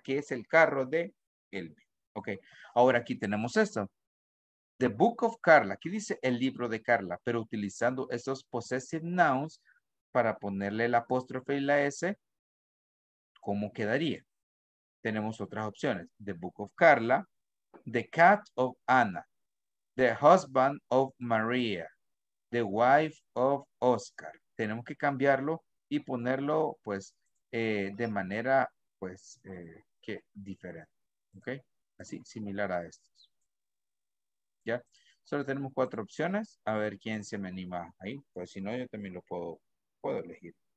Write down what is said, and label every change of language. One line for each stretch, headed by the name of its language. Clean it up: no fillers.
Spanish: Que es el carro de Elvi. Ok, ahora aquí tenemos esto.
English: The Book of Carla.
Spanish: Aquí dice el libro de Carla, pero utilizando esos possessive nouns para ponerle el apóstrofe y la S, ¿cómo quedaría? Tenemos otras opciones.
English: The Book of Carla, The Cat of Anna, The Husband of Maria, The Wife of Oscar.
Spanish: Tenemos que cambiarlo y ponerlo, pues, de manera, pues, que diferente. ¿Ok? Así, similar a esto. Ya, solo tenemos cuatro opciones. A ver quién se me anima ahí. Pues si no, yo también lo puedo elegir.